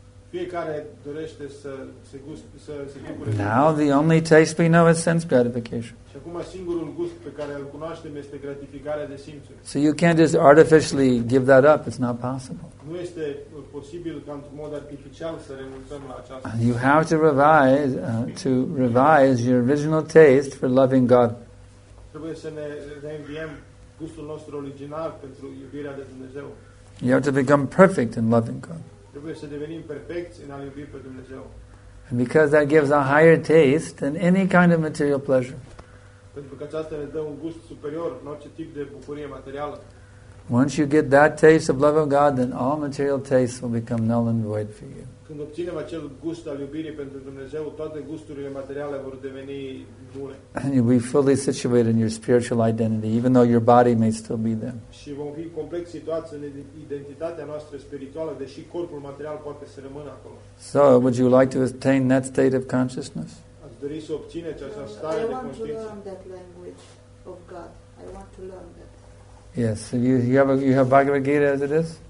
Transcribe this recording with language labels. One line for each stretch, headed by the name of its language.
Romanian: Fiecare dorește să se guste, să se bucure.
English: Now the only taste we know is sense gratification.
Romanian: Și acum singurul gust pe care îl cunoaștem este gratificarea de simțuri.
English: So you can't just artificially give that up. It's not possible.
Romanian: Nu este posibil ca într-un mod artificial să renunțăm la aceasta.
English: You have to revise your original taste for loving God.
Romanian: Trebuie să ne reînviem gustul nostru original pentru iubirea de Dumnezeu.
English: You have to become perfect in loving God.
Romanian: Trebuie să devenim perfecți în a iubi pe Dumnezeu.
English: And because that gives a higher taste than any kind of material pleasure.
Romanian: Pentru că aceasta ne dă un gust superior în orice tip de bucurie materială.
English: Once you get that taste of love of God, then all material tastes will become null and void for you.
Romanian: Când obținem acel gust al iubirii pentru Dumnezeu, toate gusturile materiale vor deveni nule.
English: And you'll be fully situated in your spiritual identity, even though your body may still be there.
Romanian: Și vom fi complet situați în identitatea noastră spirituală, deși corpul material poate să rămână acolo.
English: So, would you like to attain that state of consciousness?
Romanian: Ați dori să obțineți această stare de conștiință?
English: I want to learn that language of God. I want to learn that. Yes, so you have Bhagavad Gita as it is?